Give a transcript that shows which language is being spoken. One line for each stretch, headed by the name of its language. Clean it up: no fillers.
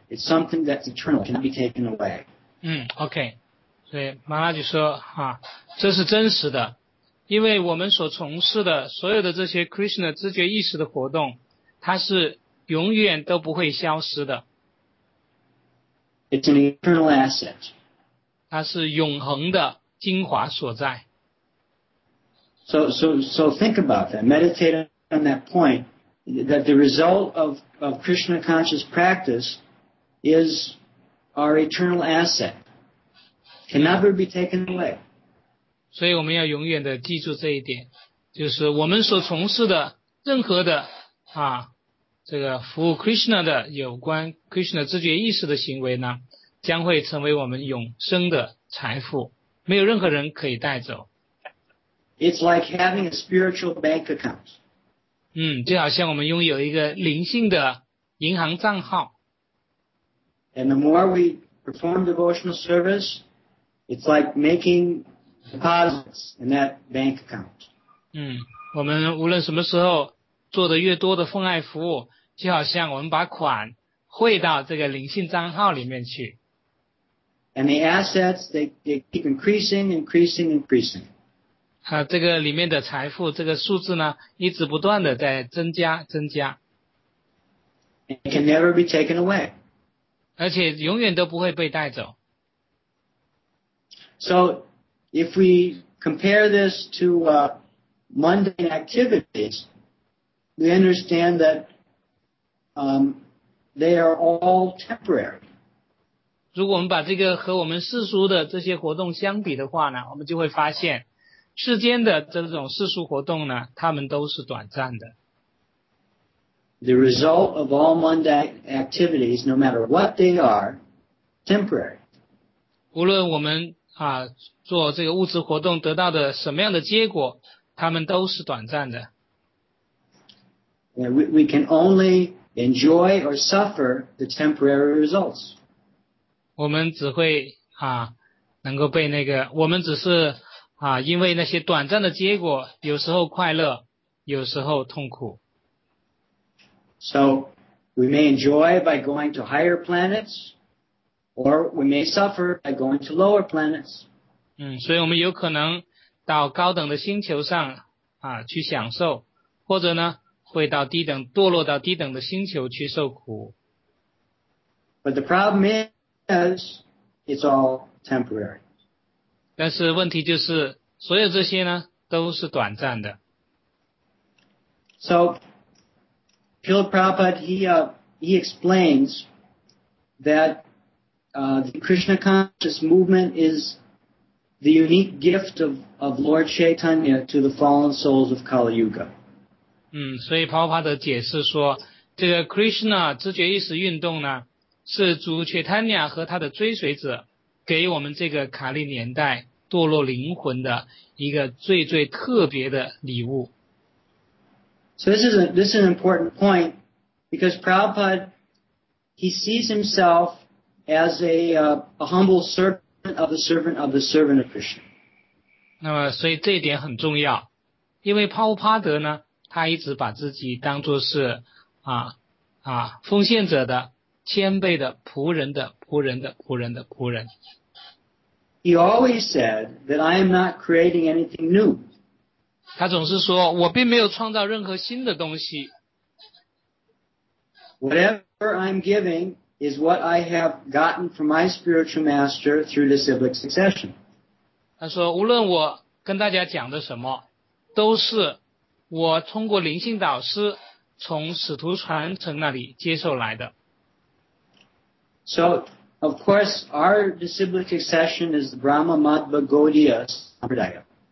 English: It's something that's eternal, cannot be taken away. Okay.
Chinese: 所以马拉就说这是真实的，因为我们所从事的所有的这些 Krishna 知觉意识的活动，它是永远都不会消失的。
English: It's an eternal asset.
Chinese: 它是永恒的精华所在。
English: So think about that. Meditate on that point. That the result of Krishna conscious practice is our eternal asset. Can never be taken away.
Chinese: 所以我们要永远的记住这一点，就是我们所从事的任何的这个服务 Krishna 的有关 Krishna 知觉意识的行为呢，将会成为我们永生的财富，没有任何人可以带走。
English: It's like having a spiritual bank account.
Chinese: 就好像我们拥有一个灵性的银行账号。
English: And the more we perform devotional service, it's like making deposits in that bank account.
Chinese: 我们无论什么时候做的越多的奉爱服务，就好像我们把款汇到这个灵性账号里面去。
English: And the assets, they keep increasing, increasing, increasing.
Chinese: 这个里面的财富，这个数字呢，一直不断的在增加，增加。
English: It can never be taken away.
Chinese: 而且永远都不会被带走。
English: So, if we compare this to mundane activities, we understand thatthey are all temporary.
Chinese: 如果我们把这个和我们世俗的这些活动相比的话呢，我们就会发现世间的这种世俗活动呢，它们都是短暂的。
English: The result of all mundane activities, no matter what they are, temporary.
Chinese: 无论我们做这个物质活动得到的什么样的结果，它们都是短暂的。
English: We can only enjoy or suffer the temporary results.
Chinese: 我们只会能够被那个，我们只是因为那些短暂的结果，有时候快乐，有时候痛苦。
English: So we may enjoy by going to higher planets, or we may suffer by going to lower planets.
Chinese: 所以我们有可能到高等的星球上啊，去享受，或者呢，会到低等，堕落到低等的星球去受苦。
English: But the problem is, it's all temporary.
Chinese: 但是问题就是，所有这些呢，都是短暂的。
English: So, Srila Prabhupada, he explains that the Krishna conscious movement is the unique gift of Lord Chaitanya to the fallen souls of Kali Yuga.
Chinese: 所以 Prabhupada 解释说，这个 Krishna 知觉意识运动呢，是主 Chaitanya 和他的追随者给我们这个卡利年代堕落灵魂的一个最最特别的礼物。
English: So this is an important point because Prabhupada, he sees himself as a humble servant of the servant of the servant of Krishna.
Chinese: 那么所以这一点很重要，因为帕乌帕德呢，他一直把自己当作是奉献者的谦卑的仆人的仆人的仆人的仆人。
English: He always said that I am not creating anything new.
Chinese: 他总是说我并没有创造任何新的东西。
English: Whatever I'm giving is what I have gotten from my spiritual master through the siblic succession.
Chinese: 他说无论我跟大家讲的什么都是我通过灵性导师从使徒传承那里接受来的。
English: So, of course, our siblic succession is Brahma Madhva Gaudiya Sampradaya.